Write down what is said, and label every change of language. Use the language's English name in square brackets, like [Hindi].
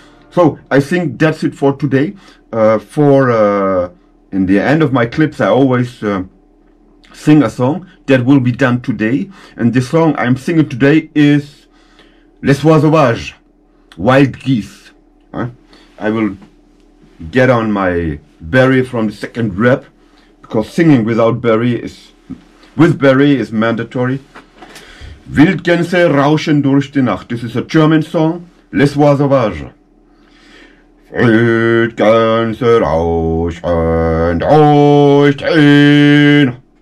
[English] So I think that's it for today. In the end of my clips, I always sing a song that will be done today, and the song I'm singing today is Les Soies Sauvages, Wild Geese. I will get on my berry from the second rep, because singing with berry is mandatory. [German] Wildgänse rauschen durch die Nacht. [English] This is a German song, Les Soies Sauvages. [German] Wildgänse rauschen durch die Nacht.